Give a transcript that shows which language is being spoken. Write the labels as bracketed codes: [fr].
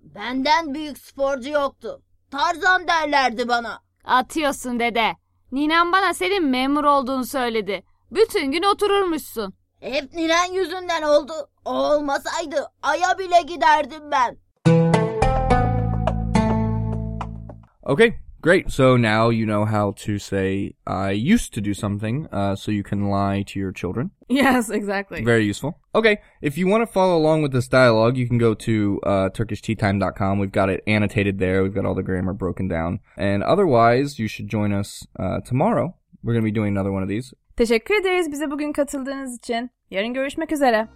[tr] Benden büyük sporcu yoktu. Tarzan derlerdi bana. Atıyorsun dede. Ninem bana senin memur olduğunu söyledi. Bütün gün oturmuşsun. Hep ninen yüzünden oldu. O olmasaydı aya bile giderdim ben. [en] Okay, great. So now you know how to say I used to do something, so you can lie to your children. Yes, exactly. Very useful. Okay, if you want to follow along with this dialogue, you can go to TurkishTeaTime.com. We've got it annotated there. We've got all the grammar broken down. And otherwise, you should join us tomorrow. We're going to be doing another one of these. [tr] Teşekkür ederiz bize bugün katıldığınız için. Yarın görüşmek üzere.